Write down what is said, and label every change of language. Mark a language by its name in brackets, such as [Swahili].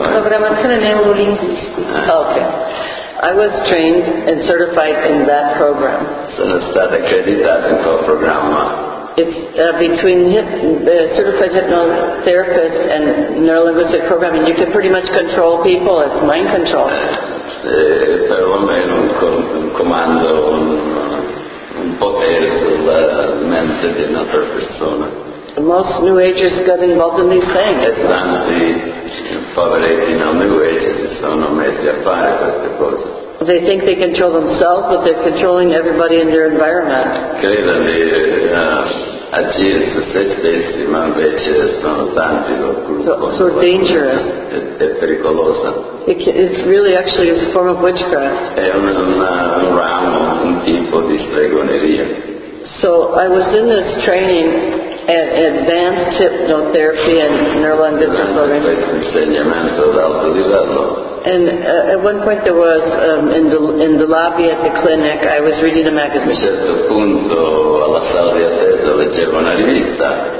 [Italian] Programmazione neurolinguistica. [English] Okay. I was trained and certified in that program. [Italian] Sono stata accreditata in quel programma. [English] It's between certified hypnotherapist and neurolinguistic programming. You can pretty much control people. It's mind control. [Italian] Per lo meno un comando, un potere sulla mente di un'altra persona. [English] Most New Agers got involved in these things. [Italian] E tanti poveretti non New Agers si sono messi a fare queste cose. [English] They think they control themselves, but they're controlling everybody in their environment. [Italian] Credono di agire su se stessi, ma invece sono tanti. [English] So dangerous. [Italian] È pericolosa. [English] It's a form of witchcraft. [Italian] È un ramo, un tipo di stregoneria. [English] So I was in this training at advanced hypnotherapy and neurolinguistic programming. [Italian] Questo insegnamento ad alto livello. [English] And at one point there was in the lobby at the clinic I was reading a magazine. [Italian] A certo punto, alla sala di attesa, leggevo una rivista.